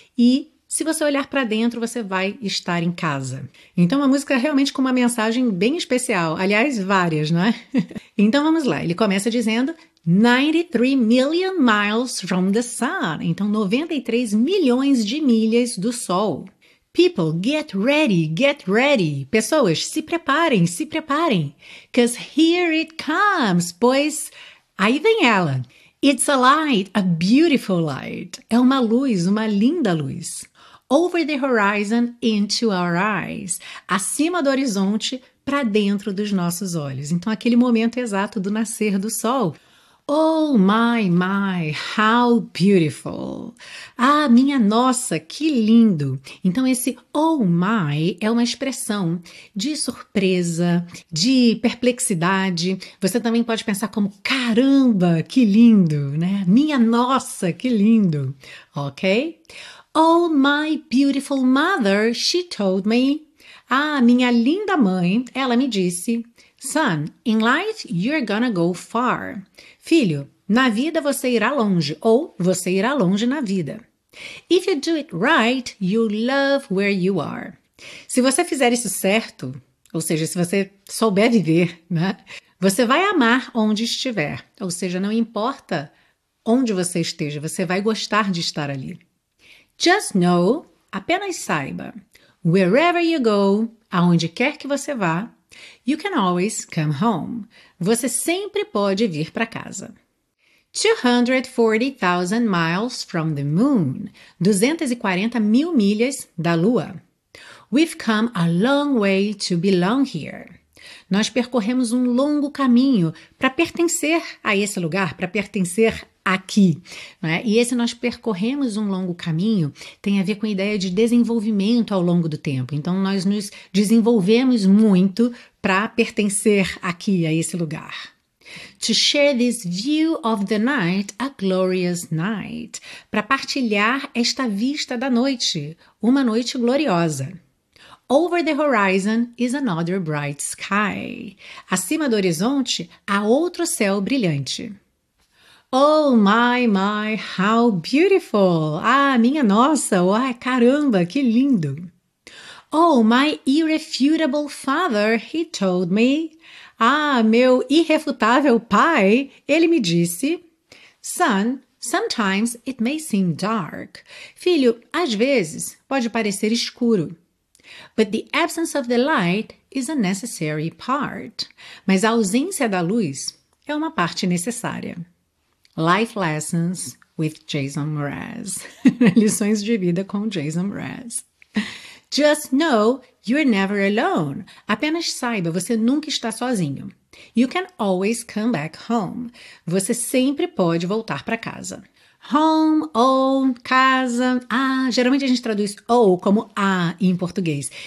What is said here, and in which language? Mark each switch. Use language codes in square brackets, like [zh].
[pt] E se você olhar para dentro, você vai estar em casa. Então, a música é realmente com uma mensagem bem especial. Aliás, várias, não é? Então, vamos lá. Ele começa dizendo [en] 93 million miles from the sun. [pt] Então, 93 milhões de milhas do sol. [en] People, get ready, get ready. [pt] Pessoas, se preparem, se preparem. [en] 'Cause here it comes. [pt] Pois, aí vem ela. [en] It's a light, a beautiful light. [pt] É uma luz, uma linda luz. [en] Over the horizon, into our eyes. [pt] Acima do horizonte, para dentro dos nossos olhos. Então, aquele momento exato do nascer do sol. [en] Oh, my, my, how beautiful. [pt] Ah, minha nossa, que lindo. Então, esse [en] oh, my [pt] é uma expressão de surpresa, de perplexidade. Você também pode pensar como caramba, que lindo, né? Minha nossa, que lindo, ok? [en] Oh, my beautiful mother, she told me. [pt] Ah, minha linda mãe, ela me disse. [en] Son, in life, you're gonna go far. [pt] Filho, na vida você irá longe, ou você irá longe na vida. [en] If you do it right, you love where you are. [pt] Se você fizer isso certo, ou seja, se você souber viver, né? Você vai amar onde estiver. Ou seja, não importa onde você esteja, você vai gostar de estar ali. [en] Just know, [pt] apenas saiba, [en] wherever you go, [pt] aonde quer que você vá, [en] you can always come home. [pt] Você sempre pode vir para casa. [en] 240,000 miles from the moon. [pt] 240,000 milhas da lua. [en] We've come a long way to belong here. [pt] Nós percorremos um longo caminho para pertencer a esse lugar, para pertencer aqui, né? E esse nós percorremos um longo caminho tem a ver com a ideia de desenvolvimento ao longo do tempo. Então, nós nos desenvolvemos muito para pertencer aqui, a esse lugar. [en] To share this view of the night, a glorious night. [pt] Para partilhar esta vista da noite, uma noite gloriosa. [en] Over the horizon is another bright sky. [pt] Acima do horizonte, há outro céu brilhante. [en] Oh, my, my, how beautiful! [pt] Ah, minha nossa! Uai, caramba, que lindo! [en] Oh, my irrefutable father, he told me. [pt] Ah, meu irrefutável pai, ele me disse. [en] Son, sometimes it may seem dark. [pt] Filho, às vezes pode parecer escuro. [en] But the absence of the light is a necessary part. [pt] Mas a ausência da luz é uma parte necessária. [en] Life Lessons with Jason Mraz. [pt] Lições de vida com Jason Mraz. [en] Just know you're never alone. [pt] Apenas saiba, você nunca está sozinho. [en] You can always come back home. [pt] Você sempre pode voltar para casa. [en] Home, [pt] casa. Ah, geralmente a gente traduz ou como a em português.